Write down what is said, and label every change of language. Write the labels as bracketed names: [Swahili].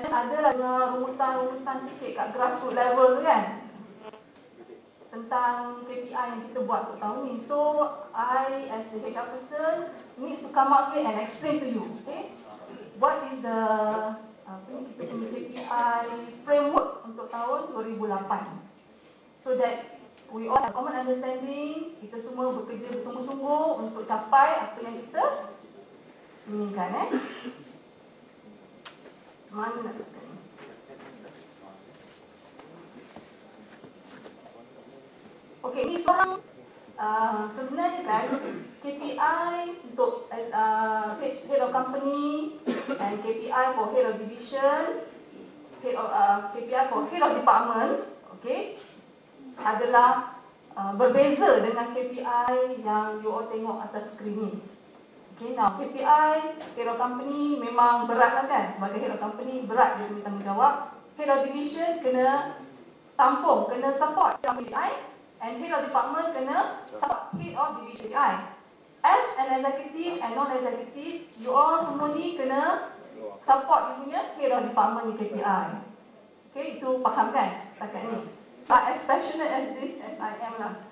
[Malay] Ada adalah rumutan-rumutan sikit kat grassroots level tu kan, tentang KPI yang kita buat untuk tahun ni. [English] So, I as the HR person need to come up here and explain to you, okay? What is the KPI framework [Malay] untuk tahun [English] 2008? So that we all have common understanding, [Malay] kita semua bekerja bersungguh-sungguh untuk capai apa yang kita inginkan eh. Mana? Okay, ni seorang sebenarnya kan KPI untuk head of company [English] and KPI for head of division, KPI for head of department, [Malay] okay, adalah berbeza dengan KPI yang you all tengok atas skrin ni. [English] Okay, now KPI, head of company [Malay] memang berat lah kan. Sebagai head of company, berat dia punya tanggungjawab. Head of division kena tampung, kena support KPI. [English] And head of department kena support head of division KPI. As an executive and non-executive, [Malay] you all semua ni kena support you punya head of department ni KPI. [English] Okay, [Malay] itu faham kan setakat ni. [English] But as passionate as this as I am lah.